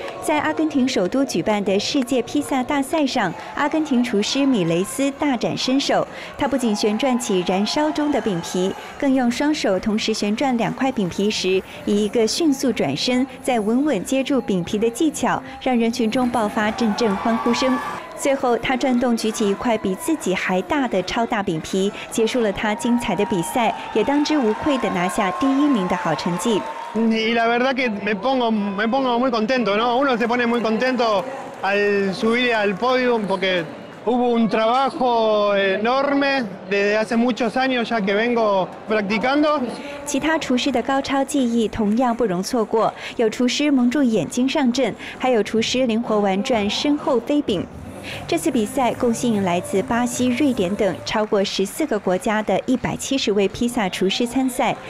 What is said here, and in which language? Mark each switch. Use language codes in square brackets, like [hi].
[zh] 在阿根廷首都举办的世界披萨大赛上，阿根廷厨师米雷斯大展身手，他不仅旋转起燃烧中的饼皮，更用双手同时旋转两块饼皮时，以一个迅速转身再稳稳接住饼皮的技巧，让人群中爆发阵阵欢呼声。最后他转动举起一块比自己还大的超大饼皮，结束了他精彩的比赛，也当之无愧地拿下第一名的好成绩。 [es] Y la verdad que me pongo muy contento, ¿no? Uno se pone muy contento al subir al podio porque hubo un trabajo enorme desde hace muchos años ya que vengo practicando. [zh] 其他厨师的高超技艺同样不容错过，有厨师蒙住眼睛上阵，还有厨师灵活玩转身后飞饼。这次比赛共吸引来自巴西、瑞典等超过14个国家的170位披萨厨师参赛。